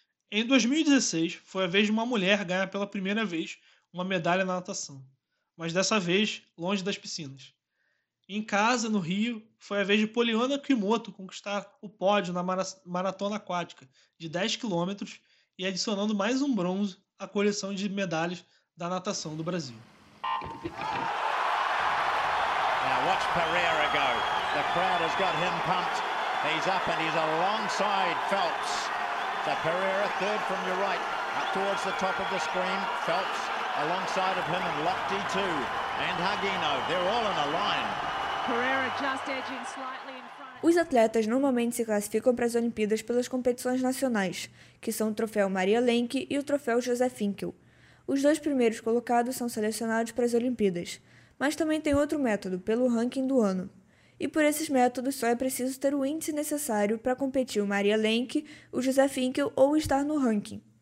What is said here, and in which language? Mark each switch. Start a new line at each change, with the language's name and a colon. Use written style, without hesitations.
Portuguese: Em 2016, foi a vez de uma mulher ganhar pela primeira vez uma medalha na natação, mas dessa vez, longe das piscinas. Em casa, no Rio, foi a vez de Poliana Kimoto conquistar o pódio na maratona aquática de 10 km e adicionando mais um bronze à coleção de medalhas da natação do Brasil.
English: Watch Pereira go. The crowd has got him pumped. He's up and he's alongside Phelps. So Pereira, third from your right, up towards the top of the screen. Phelps alongside of him and Lochte too. And Hagino, they're all in a line. Pereira just edging slightly in front.
Portuguese: Os atletas normalmente se classificam para as Olimpíadas pelas competições nacionais, que são o troféu Maria Lenk e o troféu José Finkel. Os dois primeiros colocados são selecionados para as Olimpíadas. Mas também tem outro método, pelo ranking do ano. E por esses métodos só é preciso ter o índice necessário para competir o Maria Lenk, o José Finkel ou estar no ranking.